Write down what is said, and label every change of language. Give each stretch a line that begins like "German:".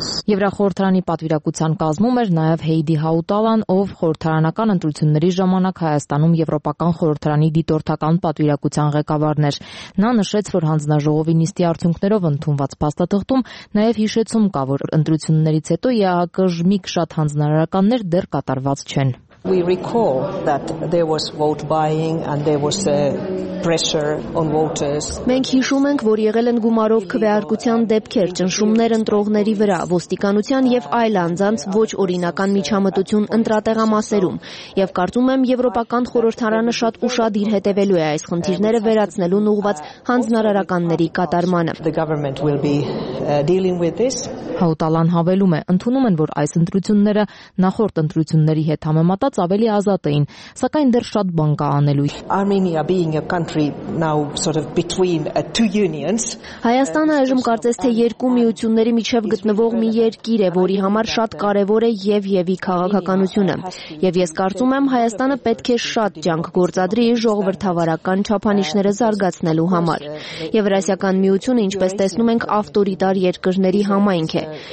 Armenian: Եվրախորհրդարանի պատվիրակության կազմում էր նաև Հեյդի Հաուտալան, ով խորհրդարանական ընտրությունների ժամանակ Հայաստանում Եվրոպական խորհրդարանի դիտորդական պատվիրակության ղեկավարներ։ Նա նշեց, որ հանձնաժողովի նիստի արդյունքներով ընդունված փաստաթղթում նաև հիշեցում կա, որ ընտրություններից հետո ԵԱՀԿ ժմիկ շատ հանձնարարականներ դեռ կատարված չեն։
English: We recall that there was vote buying and there was pressure on voters.
Armenian: Մենք հիշում ենք, որ եղել են գումարով քվեարկության դեպքեր, ճնշումներ ընտրողների վրա, ոստիկանության եւ այլ անձանց ոչ օրինական միջամտություն ընտրատեղամասերում, եւ կարծում եմ Եվրոպական խորհրդարանը շատ ուշադիր հետեվելու է այս խնդիրները վերացնելուն ուղված հանձնարարականների կատարմանը։ Հաուտալան հավելում է, ընդունում են, որ այս ընտրությունները նախորդ ընտրությունների հետ համեմատած ավելի ազատ էին, սակայն դեռ շատ բան կա անելու։
English: Armenia being a country now sort of between two unions.
Armenian: Հայաստանը այժմ կարծես թե երկու միությունների միջև գտնվող մի երկիր է, որի համար շատ կարևոր է եւ քաղաքականությունը։ Եվ ես կարծում եմ, Հայաստանը պետք է շատ ջանք գործադրի ժողովրդավարական չափանիշները զարգացնելու համար։ Եվրասիական միությունը, ինչպես տեսնում ենք, ավտորիտար երկրների համայնք է։